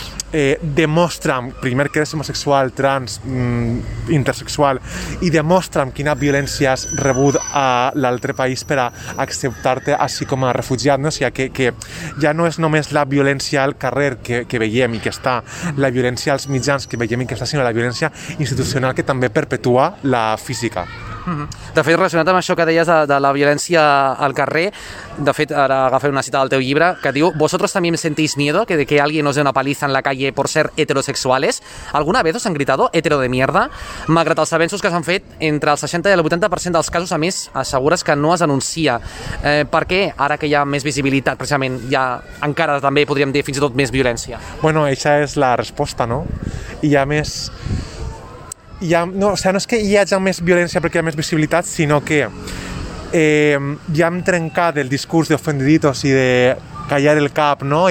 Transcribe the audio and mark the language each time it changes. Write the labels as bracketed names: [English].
[Catalan] demostra'm, primer, que eres homosexual, trans, intersexual, i demostra'm quina violència has rebut a l'altre país per a acceptar-te així com a refugiat, no? O sigui, que ja no és només la violència al carrer que veiem i que està, la violència als mitjans que veiem i que està, sinó la violència institucional que també perpetua la física. De fet, relacionat amb això que deies de la violència al carrer, de fet, ara agafo una cita del teu llibre que diu: [Spanish] vosotros también sentís miedo que de que alguien os dé una paliza en la calle por ser heterosexuales. ¿Alguna vez os han gritado hetero de mierda? [Catalan] Malgrat els avenços que s'han fet, entre el 60 i el 80% dels casos, a més, assegures que no es denuncia. Per què, ara que hi ha més visibilitat, precisament, hi ha encara també, podríem dir, fins i tot més violència? Bueno, això és la resposta, no? I a més... no és que hi hagi més violència perquè hi ha més visibilitat, sinó que ja hem trencat el discurs d'ofendiditos i de callar el cap, no?